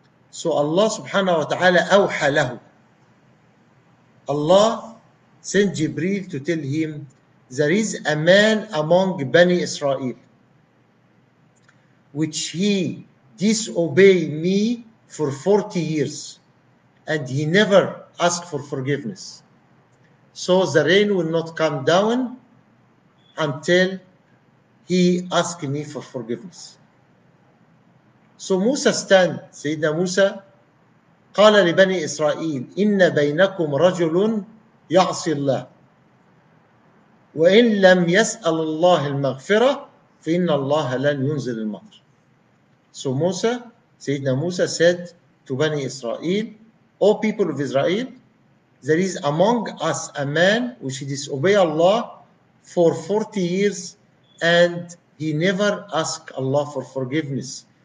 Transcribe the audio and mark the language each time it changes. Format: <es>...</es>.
<en>So Allah subhanahu wa ta'ala</en> <ar>awha lahu.</ar> <en>Allah sent Jibreel to tell him, there is a man among Bani Israel, which he disobey me for 40 years and he never asked for forgiveness. So the rain will not come down until he asked me for forgiveness. So Musa stand, Sayyidina Musa,</en> <ar>قال لبني إسرائيل إن بينكم رجل يعصي الله وإن لم يسأل الله المغفرة فإن الله لن ينزل المطر.</ar> <en>So Musa, سيدنا موسى said to بني إسرائيل, O people of Israel, there is among us a man which he disobey Allah for 40 years and he never ask Allah for forgiveness.</en>